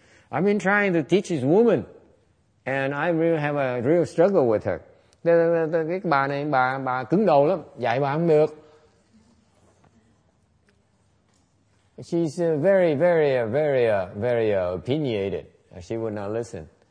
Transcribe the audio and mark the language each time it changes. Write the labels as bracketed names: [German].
[English] I've been trying to teach this woman, and I really have a real struggle with her. [Vietnamese] Cái bà này, bà cứng đầu lắm, dạy bà không được. [English] She's very, very, very, very opinionated. She would not listen.